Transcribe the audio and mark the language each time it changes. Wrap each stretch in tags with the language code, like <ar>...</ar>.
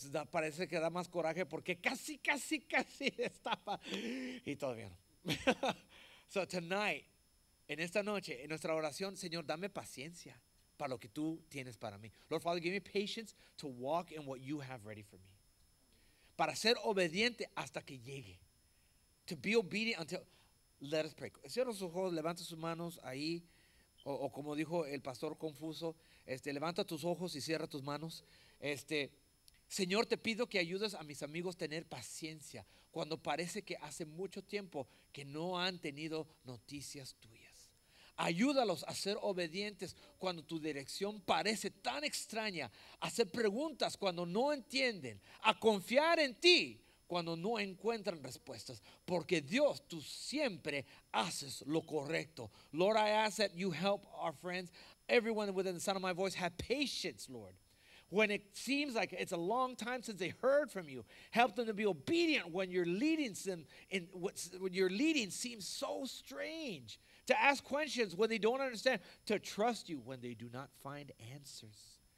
<es>Parece que da más coraje porque casi destapa. Y todavía no. So tonight, en esta noche, en nuestra oración, Señor, dame paciencia para lo que tú tienes para mí.</es> <en>Lord Father, give me patience to walk in what you have ready for me. Para ser obediente hasta que llegue. To be obedient until... Let us pray.</en> <es>Cierra sus ojos, levanta sus manos ahí, o como dijo el pastor confuso, levanta tus ojos y cierra tus manos. Señor, te pido que ayudes a mis amigos a tener paciencia cuando parece que hace mucho tiempo que no han tenido noticias tuyas. Ayúdalos a ser obedientes cuando tu dirección parece tan extraña, a hacer preguntas cuando no entienden, a confiar en ti cuando no encuentran respuestas, porque Dios, tú siempre haces lo correcto.</es> <en>Lord, I ask that you help our friends, everyone within the sound of my voice, have patience, Lord. When it seems like it's a long time since they heard from you, help them to be obedient when you're leading them in what's, when your leading seems so strange. To ask questions when they don't understand, to trust you when they do not find answers.</en>